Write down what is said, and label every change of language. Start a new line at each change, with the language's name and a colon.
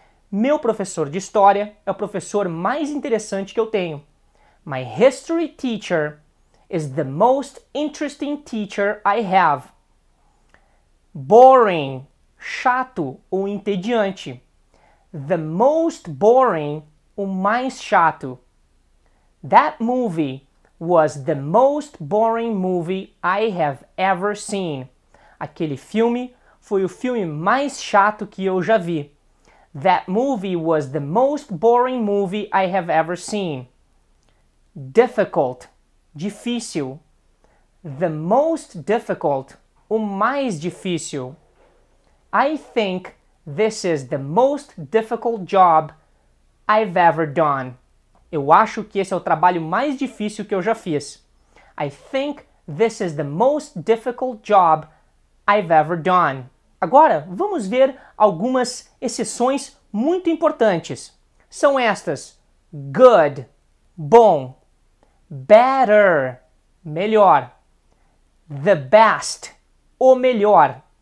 Portuguese: Meu professor de história é o professor mais interessante que eu tenho.
English: My history teacher is the most interesting teacher I have.
Portuguese: Boring, chato ou entediante. The most boring, o mais chato.
English: That movie was the most boring movie I have ever seen.
Portuguese: Aquele filme foi o filme mais chato que eu já vi.
English: That movie was the most boring movie I have ever seen.
Portuguese: Difficult, difícil. The most difficult, o mais difícil.
English: I think this is the most difficult job I've ever done.
Portuguese: Eu acho que esse é o trabalho mais difícil que eu já fiz.
English: I think this is the most difficult job I've ever done.
Portuguese: Agora, vamos ver algumas exceções muito importantes. São estas: good, bom; better, melhor; the best, o melhor.